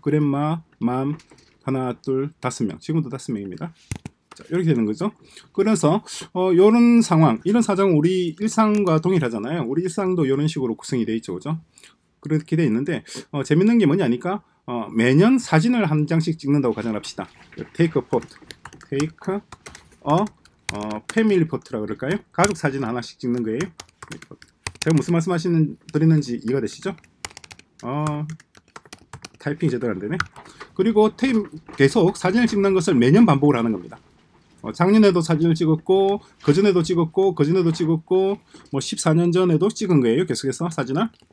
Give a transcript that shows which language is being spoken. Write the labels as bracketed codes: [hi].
[ko] 그랜마, 맘, 하나, 둘, 다섯 명. 지금도 다섯 명입니다. 자, 이렇게 되는 거죠. 그래서 이런 상황, 이런 사정은 우리 일상과 동일하잖아요. 우리 일상도 이런 식으로 구성이 돼 있죠, 그죠? 그렇게 돼 있는데 재밌는 게 뭐냐니까 매년 사진을 한 장씩 찍는다고 가정합시다. [en] Take a photo. Take a family photo라고 그럴까요? [ko] 가족 사진 하나씩 찍는 거예요. 제가 무슨 드리는지 이해가 되시죠? 타이핑이 제대로 안 되네. 그리고 계속 사진을 찍는 것을 매년 반복을 하는 겁니다. 작년에도 사진을 찍었고, 그전에도 찍었고, 그전에도 찍었고, 뭐 14년 전에도 찍은 거예요. 계속해서 사진을.